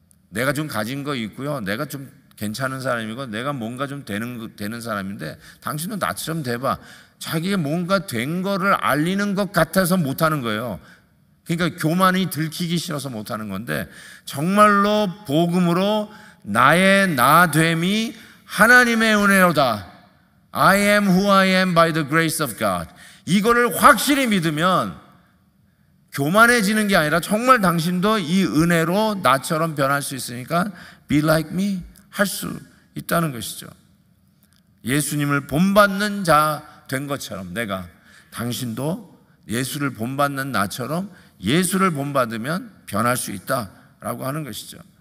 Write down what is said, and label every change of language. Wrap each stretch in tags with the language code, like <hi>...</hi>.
<ko>내가 좀 가진 거 있고요. 내가 좀 괜찮은 사람이고 내가 뭔가 좀 되는 사람인데 당신도 나처럼 돼봐. 자기가 뭔가 된 거를 알리는 것 같아서 못하는 거예요. 그러니까 교만이 들키기 싫어서 못하는 건데 정말로 복음으로 나의 나됨이 하나님의 은혜로다</ko> <en>I am who I am by the grace of God.</en> <ko>이거를 확실히 믿으면 교만해지는 게 아니라 정말 당신도 이 은혜로 나처럼 변할 수 있으니까</ko> <en>be like me</en> <ko>할 수 있다는 것이죠. 예수님을 본받는 자 된 것처럼 내가 당신도 예수를 본받는 나처럼 예수를 본받으면 변할 수 있다라고 하는 것이죠.</ko>